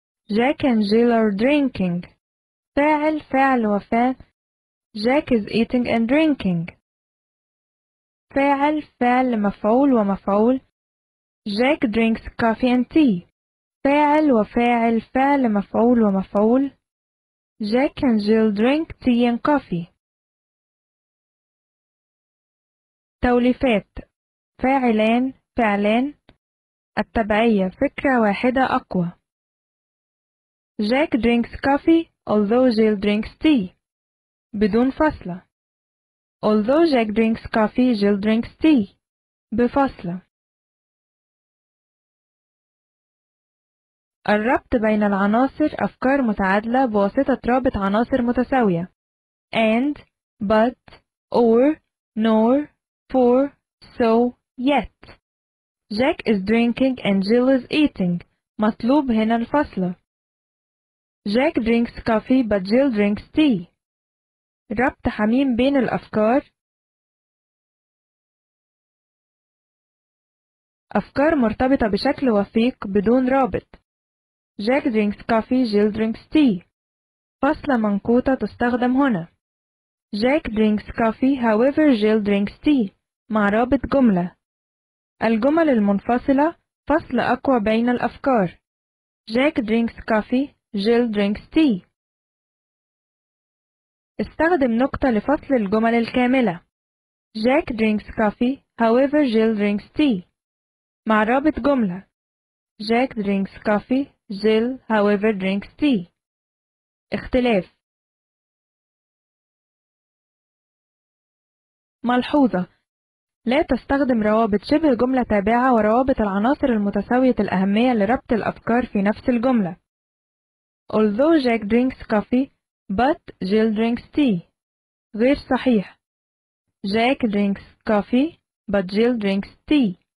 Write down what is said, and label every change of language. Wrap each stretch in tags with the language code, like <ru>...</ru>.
<en>Jack and Jill are drinking.</en> <ar>فاعل فاعل وفاعل.</ar> <en>Jack is eating and drinking.</en> <ar>فاعل فعل مفعول ومفعول.</ar> <en>Jack drinks coffee and tea.</en> <ar>فاعل وفاعل فعل مفعول ومفعول.</ar> <en>Jack and Jill drink tea and coffee.</en> <ar>توليفات. فاعلان فعلان. التبعية فكرة واحدة أقوى.</ar> <en>Jack drinks coffee although Jill drinks tea.</en> <ar>بدون فصلة.</ar> <en>Although Jack drinks coffee, Jill drinks tea.</en> <ar>بفصلة. الربط بين العناصر أفكار متعادلة بواسطة رابط عناصر متساوية.</ar> <en>And, but, or, nor, for, so, yet. Jack is drinking and Jill is eating.</en> <ar>مطلوب هنا الفصلة.</ar> <en>Jack drinks coffee but Jill drinks tea.</en> <ar>ربط حميم بين الأفكار. أفكار مرتبطة بشكل وثيق بدون رابط.</ar> <en>Jack drinks coffee, Jill drinks tea.</en> <ar>فصلة منقوطة تستخدم هنا.</ar> <en>Jack drinks coffee, however Jill drinks tea.</en> <ar>مع رابط جملة. الجمل المنفصلة فصل أقوى بين الأفكار.</ar> <en>Jack drinks coffee, Jill drinks tea.</en> <ar>استخدم نقطة لفصل الجمل الكاملة.</ar> <en>Jack drinks coffee, however Jill drinks tea.</en> <ar>مع رابط جملة.</ar> <en>Jack drinks coffee, Jill, however, drinks tea.</en> <ar>اختلاف. ملحوظة. لا تستخدم روابط شبه جملة تابعة وروابط العناصر المتساوية الأهمية لربط الأفكار في نفس الجملة.</ar> <en>Although Jack drinks coffee, but Jill drinks tea.</en> <ar>غير صحيح.</ar> <en>Jack drinks coffee, but Jill drinks tea.</en>